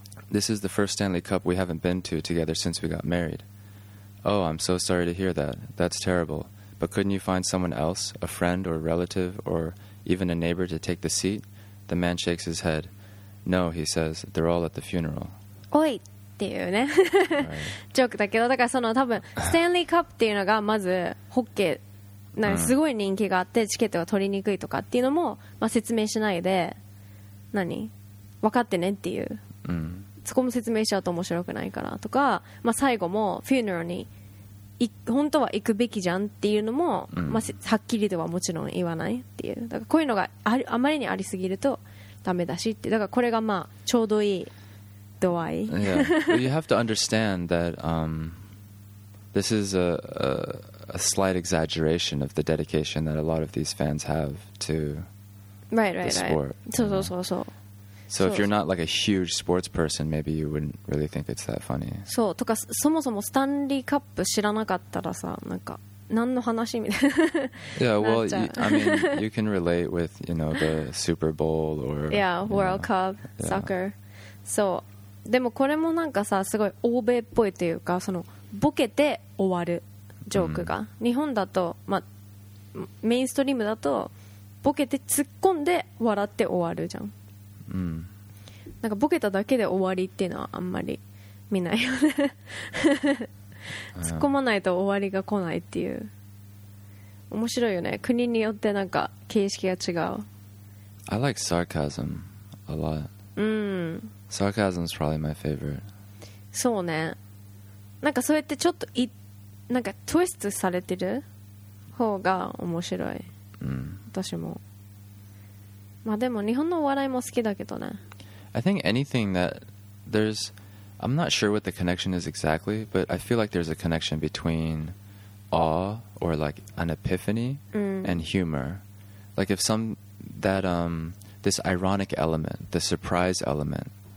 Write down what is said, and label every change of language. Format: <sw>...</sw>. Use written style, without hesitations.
<en>This is the first Stanley Cup we haven't been to together since we got married." "Oh, I'm so sorry to hear that. That's terrible. But couldn't you find someone else, a friend or relative or even a neighbor, to take the seat?" The man shakes his head. "No," he says, "they're all at the funeral." Oi!</en> <ja>っていうね、ジョークだけど、だからその多分ステンリーカップっていうのがまずホッケーなんかすごい人気があってチケットが取りにくいとかっていうのも、まあ、説明しないで何分かってねっていう、うん、そこも説明しちゃうと面白くないからとか、まあ、最後もフューネラルに本当は行くべきじゃんっていうのも、うん、まあ、はっきりではもちろん言わないっていう、だからこういうのが あまりにありすぎるとダメだしって、だからこれがまあちょうどいい。</ja> <en>Yeah. Well, you have to understand that this is a slight exaggeration of the dedication that a lot of these fans have to the sport. Right. So, so if you're not like a huge sports person, maybe you wouldn't really think it's that funny.</en> <ja>So, とかそもそもスタンリーカップ知らなかったらさ、なんか何の話みたいな。</ja> <en>Yeah, well, I mean, you can relate with, you know, the Super Bowl or World Cup, soccer. So.</en> <ja>でもこれもなんかさすごい欧米っぽいというかそのボケて終わるジョークが、うん、日本だと、まあ、メインストリームだとボケて突っ込んで笑って終わるじゃん、うん、なんかボケただけで終わりっていうのはあんまり見ないよね突っ込まないと終わりが来ないっていう面白いよね国によってなんか形式が違う</ja> <en>I like sarcasm a lot</en> <ja>うん</ja> <en>Sarcasm is probably my favorite.</en> <ja>そうね。なんかそうやってちょっといなんかトゥイストされてる方が面白い。うん。私も。まあでも日本のお笑いも好きだけどね。</ja> <en>I think anything that there's, I'm not sure what the connection is exactly, but I feel like there's a connection between awe or like an epiphany、</en> <ja>うん、</ja> <en>and humor. Like if some that this ironic element, the surprise element.</en>